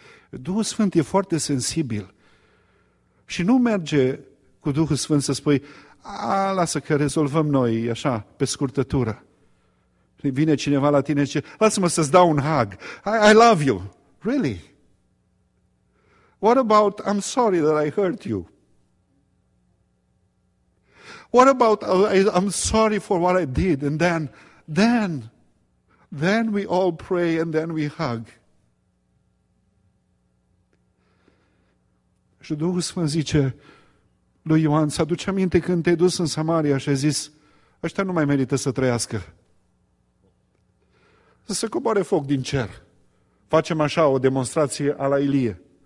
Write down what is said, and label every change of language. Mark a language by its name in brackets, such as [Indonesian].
[Romanian] Duhul Sfânt e foarte sensibil și nu merge cu Duhul Sfânt să spui, a, lasă că rezolvăm noi, așa, pe scurtătură. Vine cineva la tine și zice, lasă-mă să-ți dau un hug, [English] I love you. Really? What about, I'm sorry that I hurt you? What about, I'm sorry for what I did, and then we all pray and then we hug. [Romanian] Și Duhul Sfânt zice lui Ioan, ți-aduce aminte când te-ai dus în Samaria și ai zis, ăștia nu mai merită să trăiască. Să se coboare foc din cer. Facem așa o demonstrație a la Ilie.